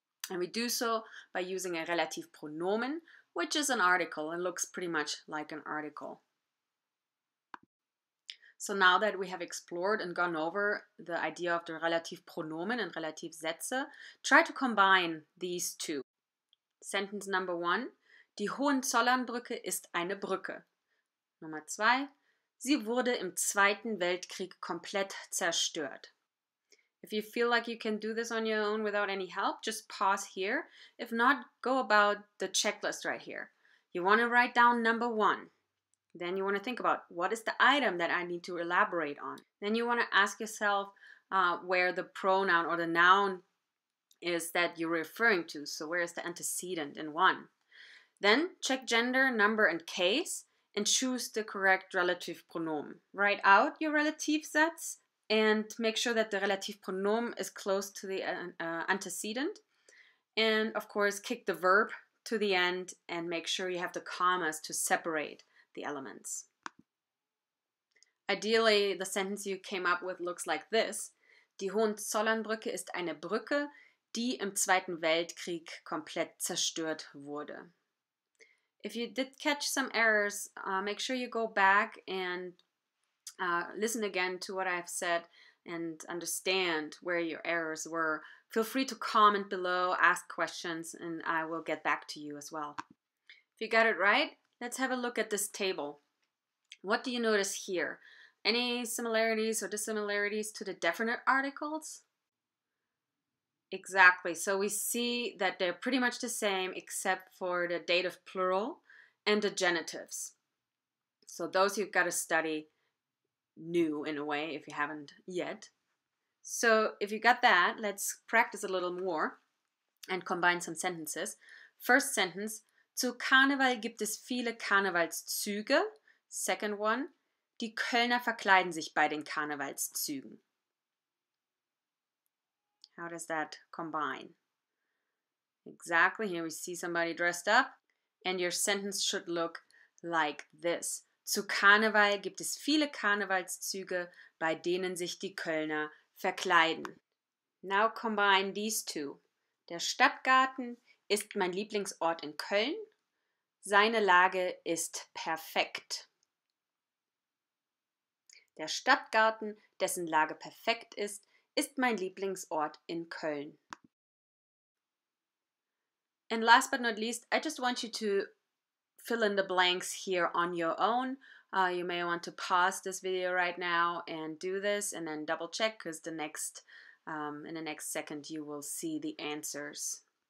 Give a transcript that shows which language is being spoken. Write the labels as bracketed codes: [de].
[en] And we do so by using a Relativpronomen, which is an article. It looks pretty much like an article. So now that we have explored and gone over the idea of the Relativpronomen and Relativsätze, try to combine these two. Sentence number one, [de] die Hohenzollernbrücke ist eine Brücke. Nummer zwei, sie wurde im Zweiten Weltkrieg komplett zerstört. [en] If you feel like you can do this on your own without any help, just pause here. If not, go about the checklist right here. You want to write down number one. Then you want to think about, what is the item that I need to elaborate on? Then you want to ask yourself where the pronoun or the noun is that you're referring to. So where is the antecedent in one? Then check gender, number, and case, and choose the correct relative pronomen. Write out your Relativsatz and make sure that the relative pronomen is close to the antecedent. And of course, kick the verb to the end and make sure you have the commas to separate the elements. Ideally, the sentence you came up with looks like this. [de] Die Hohenzollernbrücke ist eine Brücke, die im Zweiten Weltkrieg komplett zerstört wurde. [en] If you did catch some errors, make sure you go back and listen again to what I've said and understand where your errors were. Feel free to comment below, ask questions, and I will get back to you as well. If you got it right, let's have a look at this table. What do you notice here? Any similarities or dissimilarities to the definite articles? Exactly. So we see that they're pretty much the same except for the dative plural and the genitives. So those you've got to study new in a way if you haven't yet. So if you got that, let's practice a little more and combine some sentences. First sentence, [de] zu Karneval gibt es viele Karnevalszüge. [en] Second one, [de] die Kölner verkleiden sich bei den Karnevalszügen. [en] How does that combine? Exactly, here we see somebody dressed up. And your sentence should look like this. [de] Zu Karneval gibt es viele Karnevalszüge, bei denen sich die Kölner verkleiden. [en] Now combine these two. [de] Der Stadtgarten ist mein Lieblingsort in Köln. Seine Lage ist perfekt. Der Stadtgarten, dessen Lage perfekt ist, ist mein Lieblingsort in Köln. [en] And last but not least, I just want you to fill in the blanks here on your own. You may want to pause this video right now and do this and then double check, because in the next second you will see the answers.